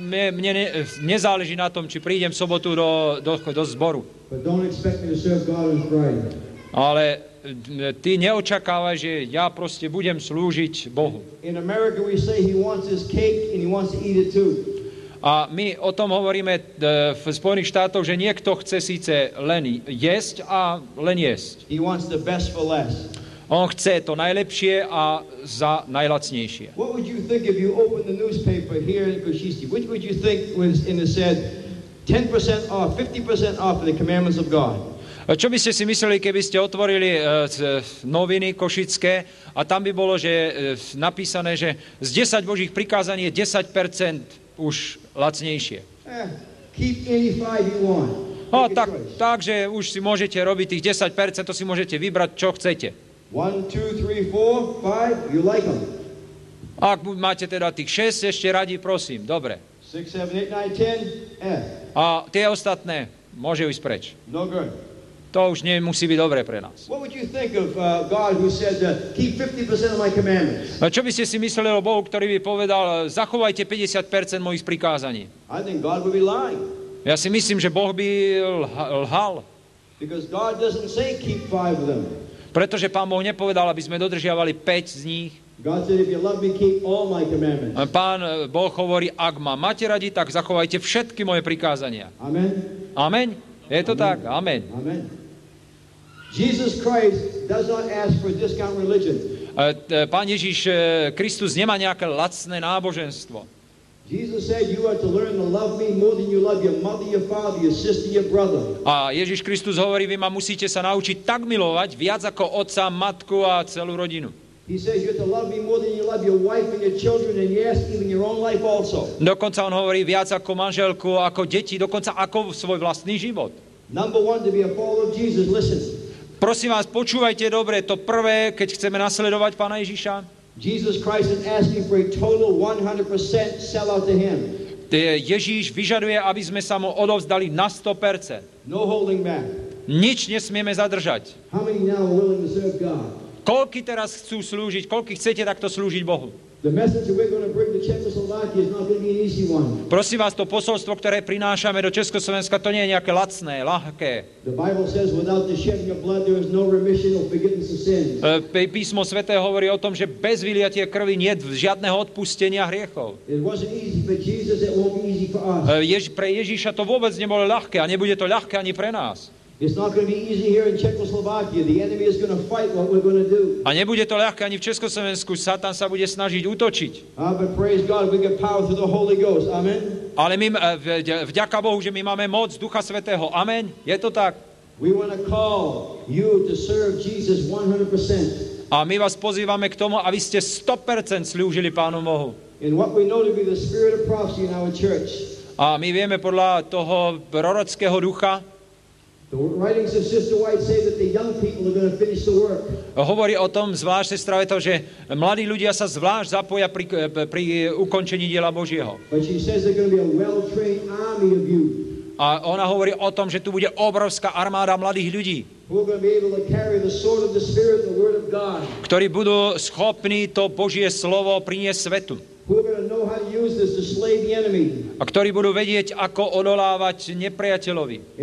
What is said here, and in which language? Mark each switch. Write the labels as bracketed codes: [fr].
[sk] Mne nezáleží na tom, či prídem sobotu do zboru. [en] But don't expect me to serve God on Friday. [sk] Ale ty neočakávaj, že ja proste budem slúžiť Bohu. [en] In America we say he wants his cake and he wants to eat it too. [sk] A my o tom hovoríme v Spojených štátoch, že niekto chce síce len jesť a len jesť. [en] He wants the best for less. [sk] On chce to najlepšie a za najlacnejšie. [en] What would you think if you opened the newspaper here in Košice? What would you think when it said 10% off, 50% off the commandments of God? [sk] Čo by ste si mysleli, keby ste otvorili noviny košické a tam by bolo, že napísané, že z 10 Božích prikázaní je 10% už lacnejšie. [en] Keep any five you want. [sk] No, takže už si môžete robiť tých 10%, to si môžete vybrať, čo chcete. [en] 1, 2, 3, 4, 5, you like them. [sk] Ak máte teda tých 6, ešte radi, prosím, dobre. [en] 6, 7, 8, 9, 10, F. [sk] A tie ostatné môže ísť preč. [en] No good. [sk] To už nie musí byť dobré pre nás. [en] What would you think of God who said keep 50% of my commandments? [sk] A čo by ste si mysleli o Bohu, ktorý by povedal zachovajte 50% mojich prikázaní? [en] I think God would be lying. [sk] Ja si myslím, že Boh by lhal. [en] Because God doesn't say keep five of them. [sk] Pretože Pán Boh nepovedal, aby sme dodržiavali 5 z nich. [en] God said if you love me keep all my commandments. [sk] A Pán Boh hovorí, ak ma máte radi, tak zachovajte všetky moje prikázania. [en] Amen. [sk] Amen. Je to tak. Amen. [en] Amen. Jesus Christ does not ask for a discount religion. [sk] Pán Ježiš Kristus nemá nejaké lacné náboženstvo. [en] Jesus said you are to learn to love me more than you love your mother, your father, your sister, your brother. [sk] A Ježiš Kristus hovorí, vy ma musíte sa naučiť tak milovať viac ako otca, matku a celú rodinu. [en] He says you have to love me more than you love your wife and your children and yes, even your own life also. [sk] Dokonca on hovorí viac ako manželku, ako deti, dokonca ako svoj vlastný život. [en] Number one, to be a follower of Jesus, listen. [sk] Prosím vás, počúvajte dobre, to prvé, keď chceme nasledovať Pána Ježiša. [en] Jesus Christ is asking for a total 100% sell out to him. [sk] Ježiš vyžaduje, aby sme sa mu odovzdali na 100%. [en] No holding back. [sk] Nič nesmieme zadržať. [en] How many now are willing to serve God? [sk] Koľko teraz chcú slúžiť, koľko chcete takto slúžiť Bohu? [en] The message we're going to bring to Czechoslovakia is not going to be an easy one. [sk] Prosím vás, to posolstvo, ktoré prinášame do Československa, to nie je nejaké lacné, ľahké. [en] The Bible says without the shedding of blood there is no remission or forgiveness of sins. [sk] Písmo sväté hovorí o tom, že bez vyliatia krvi nie je žiadneho odpustenia hriechov. [en] It wasn't easy for Jesus, it won't be easy for us. [sk] Pre Ježiša to vôbec nebolo ľahké a nebude to ľahké ani pre nás. [en] It's not going to be easy here in Czechoslovakia. The enemy is going to fight what we're going to do. [sk] A nebude to ľahké ani v Československu. Satan sa bude snažiť útočiť. [en] But praise God, we get power through the Holy Ghost. Amen. [sk] Ale my vďaka Bohu, že my máme moc Ducha Svätého. Amen. Je to tak. [en] We want to call you to serve Jesus 100%. [sk] A my vás pozývame k tomu, aby ste 100% slúžili Pánu Bohu. [en] In what we know to be the spirit of prophecy in our church. [sk] A my vieme podľa toho prorockého ducha. [en] The writings of Sister White say that the young people are going to finish the work. [sk] Hovorí o tom zvlášť sestra Veto, že mladí ľudia sa zvlášť zapoja pri ukončení diela Božieho. [en] But she says there's going to be a well-trained army of youth. [sk] A ona hovorí o tom, že tu bude obrovská armáda mladých ľudí. [en] Who are going to be able to carry the sword of the Spirit, the word of God. [sk] Ktorí budú schopní to Božie slovo priniesť svetu. a ktorí budú vedieť, ako odolávať nepriateľovi.